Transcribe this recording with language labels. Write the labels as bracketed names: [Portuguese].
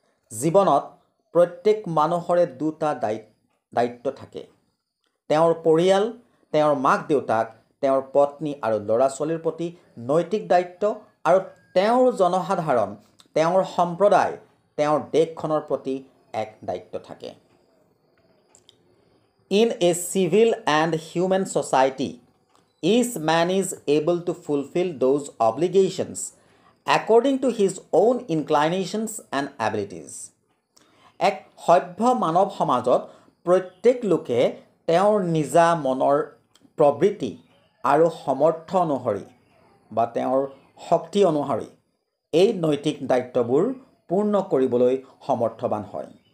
[Assamese] জীৱনত প্ৰত্যেক মানুহৰে দুটা দায়িত্ব থাকে, তেওঁৰ পৰিয়াল, তেওঁৰ মাক দেউতাক, তেওঁৰ পত্নী আৰু ল'ৰা ছোৱালীৰ প্ৰতি নৈতিক দায়িত্ব আৰু তেওঁৰ জনসাধাৰণ, তেওঁৰ সম্প্ৰদায়, তেওঁৰ দেশখনৰ প্ৰতি এক দায়িত্ব থাকে। [English] In a civil and human society each man is able to fulfil those obligations according to his own inclinations and abilities. [Assamese] এক সভ্য মানৱ সমাজত প্ৰত্যেক লোকে তেওঁৰ নিজা মনৰ প্ৰবৃত্তি আৰু সমৰ্থ অনুসৰি বা তেওঁৰ শক্তি অনুসৰি এই নৈতিক দায়িত্ববোৰ পূৰ্ণ কৰিবলৈ সমৰ্থবান হয়।